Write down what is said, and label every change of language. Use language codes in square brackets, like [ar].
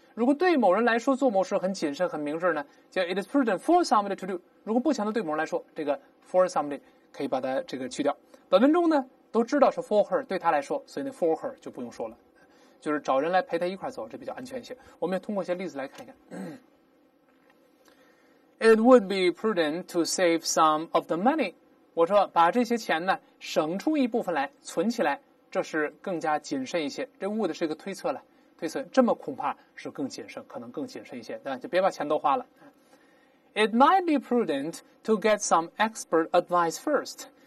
[zh] 如果对某人来说做某事很谨慎很明智呢，叫 [en] It is prudent for somebody to do。 [zh] 如果不强调对某人来说，这个 [en] for somebody [zh] 可以把它这个去掉。本文中呢都知道是 [en] for her， [zh] 对他来说，所以那 for her 就不用说了。就是找人来陪他一块走，这比较安全一些。我们也通过一些例子来看一看。 [en] It would be prudent to save some of the money。 [zh] 我说把这些钱呢省出一部分来存起来，这是更加谨慎一些。这 would 是一个推测了，推测这么恐怕是更谨慎，可能更谨慎一些，对吧？就别把钱都花了。 [en] It might be prudent to get some expert advice first。